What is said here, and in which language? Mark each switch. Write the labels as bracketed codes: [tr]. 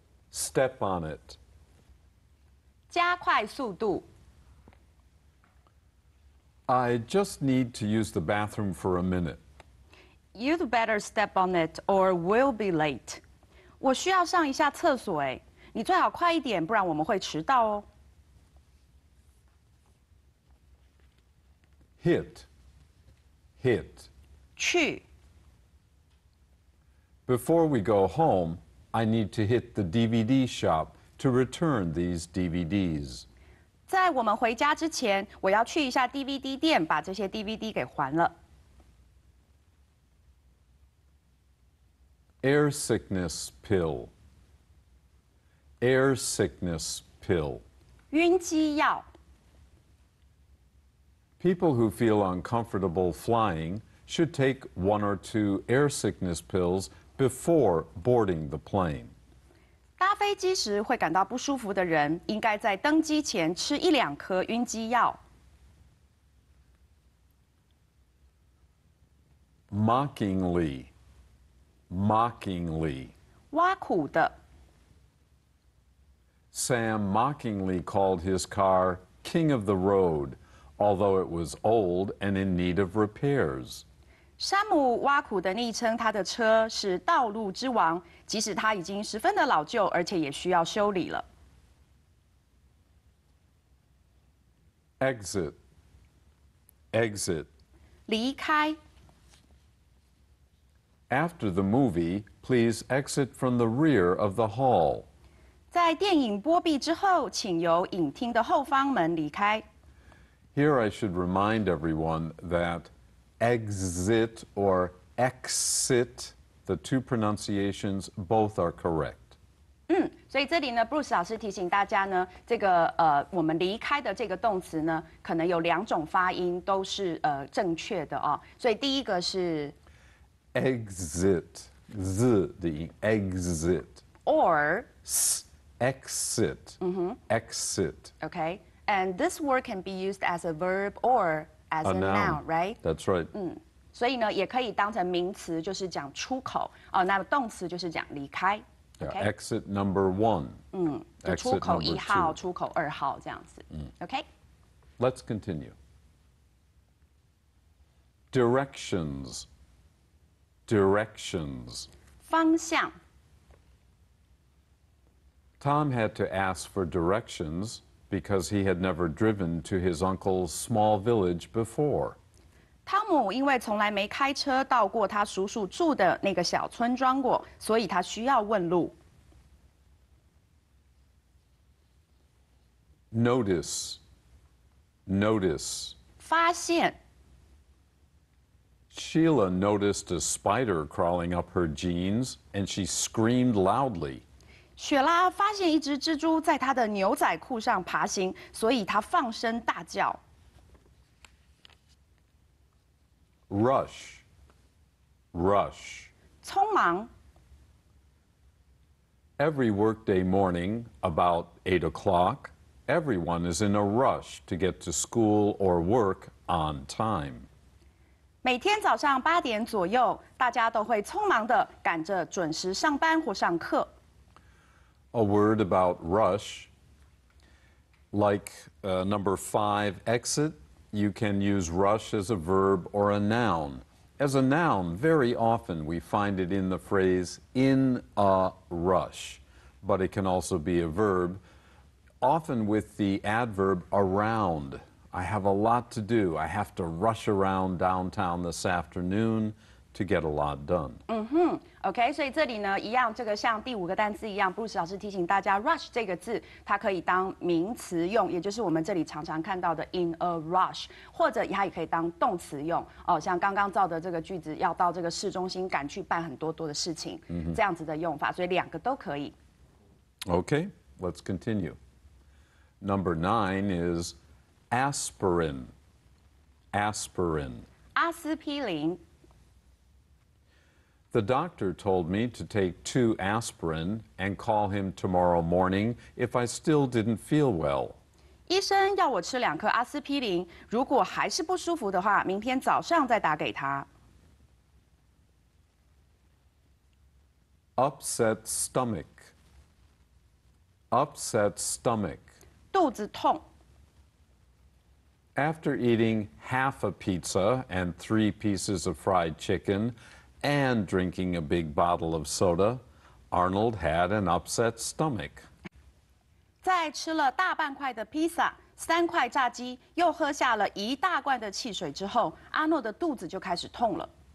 [en] Step on it. [zh] 加快速度。 [en] I just need to use the bathroom for a minute. You'd better step on it or we'll be late. [zh] 我需要上一下厕所耶。你最好快一点不然我们会迟到哦。 [en] Hit. Hit. [zh] 去。 [en] Before we go home, I need to hit the DVD shop to return these DVDs. [zh] 在我们回家之前，我要去一下 DVD 店，把这些 DVD 给还了。 [en] Air sickness pill. Air sickness pill. [zh] 晕机药。 [en] People who feel uncomfortable flying should take one or two air sickness pills. Before boarding the plane. [zh] 搭飞机时会感到不舒服的人应该在登机前吃一两颗晕机药。 [en] Mockingly, mockingly. [zh] 挖苦的。 [en] Sam mockingly called his car King of the Road, although it was old and in need of repairs. [zh] 山姆挖苦地昵称他的车是道路之王，即使他已经十分的老旧，而且也需要修理了。 [en] Exit. Exit. [zh] 离开。 [en] After the movie, please exit from the rear of the hall. [zh] 在电影播毕之后，请由影厅的后方门离开。 [en] Here I should remind everyone that. Exit or exit, the two pronunciations both are correct. [zh] 嗯，所以这里呢 ，Bruce 老师提醒大家呢，这个我们离开的这个动词呢，可能有两种发音都是正确的哦。所以第一个是 [en] exit, [zh] z 的音 [en] exit, or s, exit, exit. Okay, and this word can be used as a verb or. As a noun, right? That's right. [zh] 所以呢，也可以当成名词，就是讲出口。那动词就是讲离开。 [en] Exit number one. [zh] 就出口一号，出口二号这样子。 [en] Okay. Let's continue. Directions. Directions. [zh] 方向。 [en] Tom had to ask for directions. Because he had never driven to his uncle's small village before. [zh] Tom, 因为从来没开车到过他叔叔住的那个小村庄过，所以他需要问路。 [en] Notice, notice. [zh] 发现。 [en] Sheila noticed a spider crawling up her jeans, and she screamed loudly. [zh] 雪拉发现一只蜘蛛在她的牛仔裤上爬行，所以她放声大叫。 [en] Rush, rush. [zh] 匆忙。 [en] Every workday morning, about 8 o'clock, everyone is in a rush to get to school or work on time. [zh] 每天早上八点左右，大家都会匆忙地赶着准时上班或上课。 [en] A word about rush. Like number five, exit, you can use rush as a verb or a noun. As a noun, very often we find it in the phrase in a rush, but it can also be a verb, often with the adverb around. I have a lot to do. I have to rush around downtown this afternoon. To get a lot done. Mm-hmm. [zh] Okay, 所以这里呢，一样，这个像第五个单词一样，布鲁斯老师提醒大家 ，rush 这个字它可以当名词用，也就是我们这里常常看到的 [en] in a rush， [zh] 或者它也可以当动词用。哦，像刚刚造的这个句子，要到这个市中心赶去办很多多的事情， mm-hmm. 这样子的用法，所以两个都可以。 [en] Okay, let's continue. Number nine is aspirin. Aspirin. [zh] 阿司匹林。 [en] The doctor told me to take two aspirin and call him tomorrow morning if I still didn't feel well. [zh] 医生要我吃两颗阿司匹林，如果还是不舒服的话，明天早上再打给他。 [en] Upset stomach. Upset stomach. [zh] 肚子痛。 [en] After eating half a pizza and three pieces of fried chicken,And drinking a big bottle of soda, Arnold had an upset stomach. [zh] 在吃了大半块的披萨、三块炸鸡，又喝下了一大罐的汽水之后，阿诺的肚子就开始痛了。